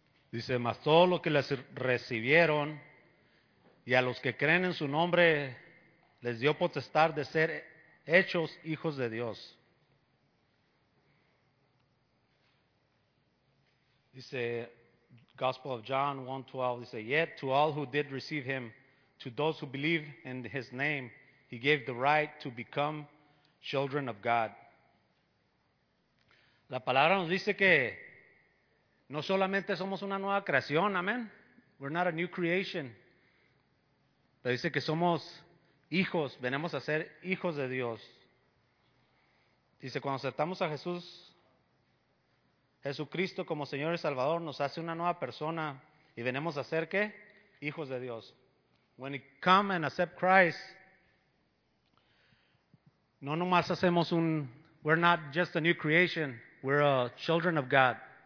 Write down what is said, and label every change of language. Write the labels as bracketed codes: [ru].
[es] Dice, mas todos los que les recibieron y a los que creen en su nombre les dio potestad de ser hechos hijos de Dios. [en] Dice, Gospel of John 1:12, dice, yet to all who did receive him, to those who believe in his name, he gave the right to become children of God. [es] La palabra nos dice que no solamente somos una nueva creación, amén. [en] We're not a new creation. [es] Pero dice que somos hijos, venimos a ser hijos de Dios. Dice, cuando aceptamos a Jesucristo como Señor y Salvador, nos hace una nueva persona y venimos a ser, ¿qué? Hijos de Dios. [en] When we come and accept Christ, [es] no nomás hacemos un, [en] we're not just a new creation, we're a children of God.